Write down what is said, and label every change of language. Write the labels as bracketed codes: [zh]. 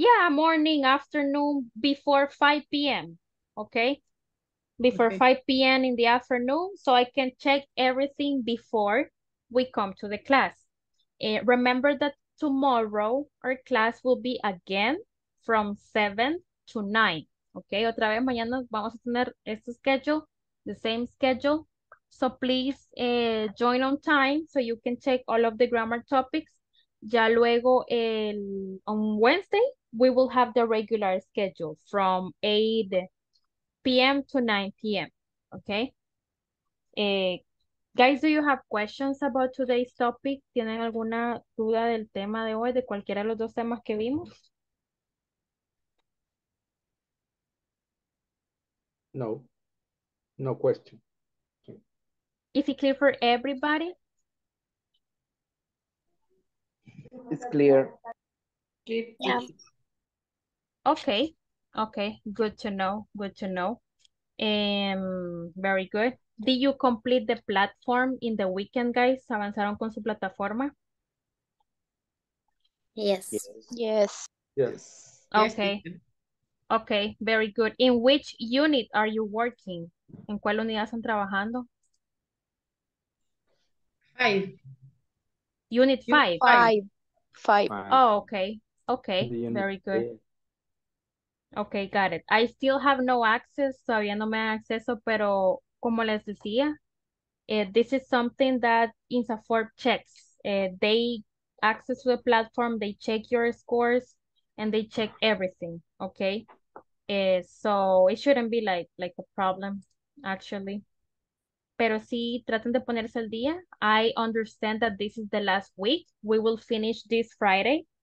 [en] Morning, afternoon, before 5 p.m., okay? Before 5 p.m. in the afternoon, so I can check everything before we come to the class. Remember that Tomorrow, our class will be again from 7 to 9. [es] Okay, otra vez mañana vamos a tener este schedule, [en] the same schedule. So please join on time so you can check all of the grammar topics. [es] Ya luego [en] on Wednesday, we will have the regular schedule from 8 p.m. to 9 p.m. Okay? Guys, do you have questions about today's topic? [es] ¿Tienen alguna duda del tema de hoy, de cualquiera de los dos temas que vimos? [en] No, no question. Is it clear for everybody? It's clear. Yeah. Okay, okay, good to know, good to know. Very good. Did you complete the platform in the weekend, guys? [es] ¿Avanzaron con su plataforma? [en] Yes. Yes. Yes. Okay. Yes. Okay, very good. In which unit are you working? [es] ¿En cuál unidad están trabajando? [en] Five. Unit five? Five. Oh, okay. Okay, very good. Three. Okay, got it. I still have no access. [es] Todavía no me da acceso, pero... Como les decía, [en] this is something that InstaForb checks. They access to the platform, they check your scores, and they check everything, okay? So it shouldn't be like a problem, actually. [es] Pero sí, traten de ponerse al día. [en] I understand that this is the last week. We will finish this Friday.